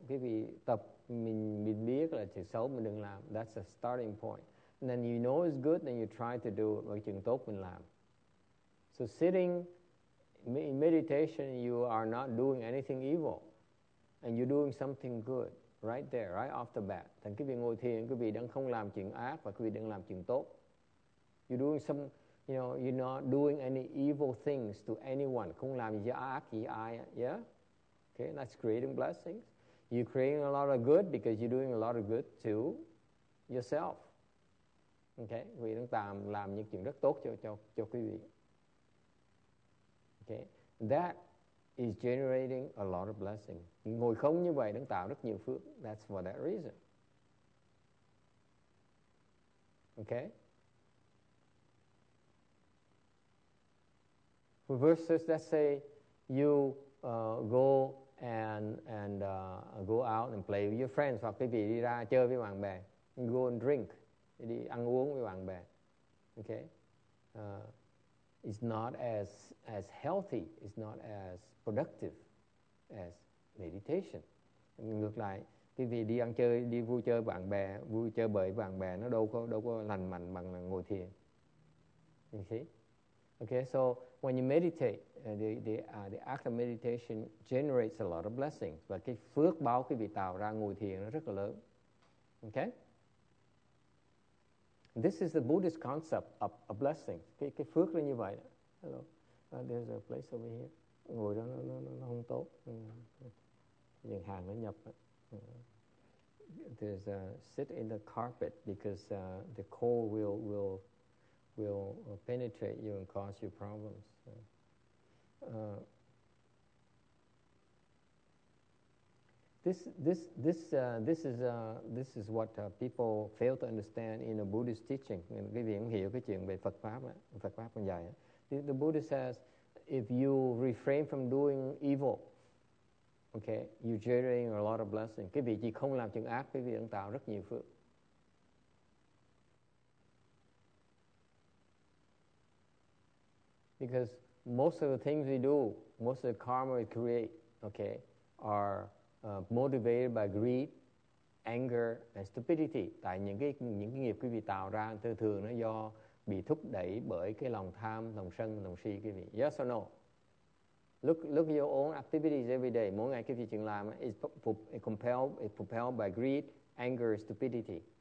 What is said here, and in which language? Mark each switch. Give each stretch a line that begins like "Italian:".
Vietnamese: Quý vị tập mình biết là chuyện xấu mình đừng làm.
English: That's a starting point. And then you know it's good, then you try to do it.
Vietnamese: Chuyện tốt mình làm.
English: So sitting in meditation, you are not doing anything evil. And you're doing something good right there, right off the bat.
Vietnamese: Thành quý vị ngồi thiền, quý vị đang không làm chuyện ác và quý vị đang làm chuyện tốt.
English: You're doing some, you know, you're not doing any evil things to anyone.
Vietnamese: Không làm gì ác gì ai, yeah?
English: Okay, that's creating blessings. You're creating a lot of good because you're doing a lot of good to yourself.
Vietnamese: Okay, quý vị đang làm những chuyện rất tốt cho quý vị.
English: Okay, that is generating a lot of blessing.
Vietnamese: Ngồi không như vậy đang tạo rất nhiều phước.
English: That's for that reason. Okay? Versus, let's say, you go and go out and play with your friends.
Vietnamese: Hoặc quý vị đi ra chơi với bạn bè.
English: Go and drink.
Vietnamese: Đi ăn uống với bạn bè. Okay?
English: It's not as healthy, it's not as productive as meditation.
Vietnamese: Ngược lại, quý vị đi ăn chơi, đi vui chơi bạn bè, vui chơi bởi bạn bè, nó đâu có lành mạnh bằng là ngồi thiền. Okay?
English: Okay, so when you meditate, the act of meditation generates a lot of blessings.
Vietnamese: Và cái phước báo quý vị tạo ra ngồi thiền nó rất là lớn. Okay?
English: This is the Buddhist concept of a blessing.
Vietnamese: Cái phước là như vậy.
English: Hello. There's a place over here.
Vietnamese: Ngồi đó nó không tốt. Những hàng nó nhập.
English: There's a sit in the carpet because the cold will penetrate you and cause you problems. This is what people fail to understand in a Buddhist teaching.
Vietnamese: Quý vị không hiểu cái chuyện về Phật pháp á, Phật pháp còn dài á.
English: The Buddha says, if you refrain from doing evil, okay, you're generating a lot of blessing.
Vietnamese: Quý vị chỉ không làm chuyện ác, quý vị đang tạo rất nhiều phước.
English: Because most of the things we do, most of the karma we create, okay, are motivated by greed, anger, and stupidity.
Vietnamese: Tại những cái nghiệp quý vị tạo ra, thường thường nó do bị thúc đẩy bởi cái lòng tham, lòng sân, lòng si quý vị.
English: Yes or no? Look at your own activities every day.
Vietnamese: Mỗi ngày quý vị chừng làm,
English: it's propelled by greed, anger, stupidity.